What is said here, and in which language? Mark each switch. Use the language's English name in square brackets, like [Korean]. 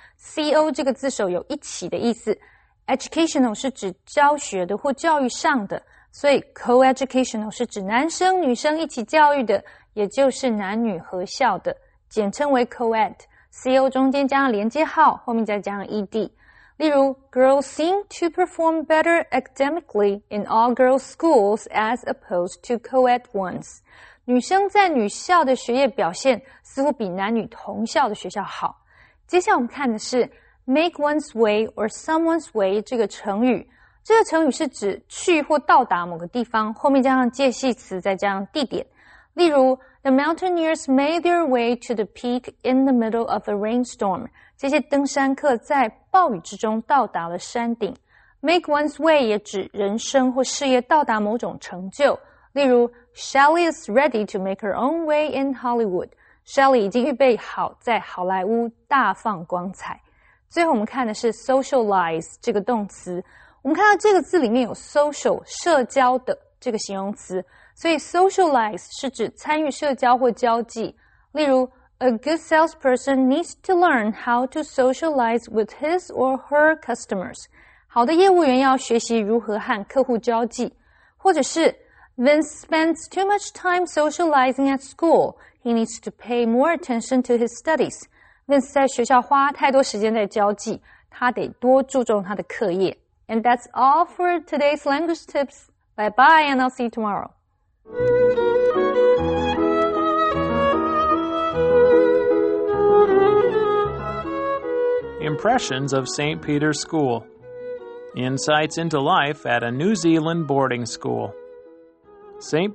[Chinese] co 这个字首有一起的意思 ，educational 是指教学的或教育上的。所以 co-educational 是指男生女生一起教育的，也就是男女合校的，简称为 co-ed。 co 中间加上连接号，后面再加上 ed。 [English] 例如 ，girls seem to perform better academically in all-girls schools as opposed to co-ed ones。 [Chinese] 女生在女校的学业表现似乎比男女同校的学校好。接下来我们看的是 [English] make one's way or someone's way [Chinese] 这个成语。这个成语是指去或到达某个地方，后面加上介系词，再加上地点。 [English] 例如 ，The mountaineers made their way to the peak in the middle of a rainstorm。 [Chinese] 这些登山客在暴雨之中到达了山顶。 Make one's way 也指人生或事业到达某种成就。 [English] 例如 ，Shelley is ready to make her own way in Hollywood。 [Chinese] Shelley 已经预备好在好莱坞大放光彩。最后我们看的是 socialize 这个动词。我们看到这个字里面有 social 社交的这个形容词，所以 socialize 是指参与社交或交际。 [English] 例如 ，A good salesperson needs to learn how to socialize with his or her customers。 [Chinese] 好的业务员要学习如何和客户交际，或者是 [English] Vince spends too much time socializing at school. He needs to pay more attention to his studies. [Chinese] Vince 在学校花太多时间在交际，他得多注重他的课业。 [English] And that's all for today's language tips. Bye-bye, and I'll see you tomorrow. Impressions of St. Peter's School. Insights into life at a New Zealand boarding school. St.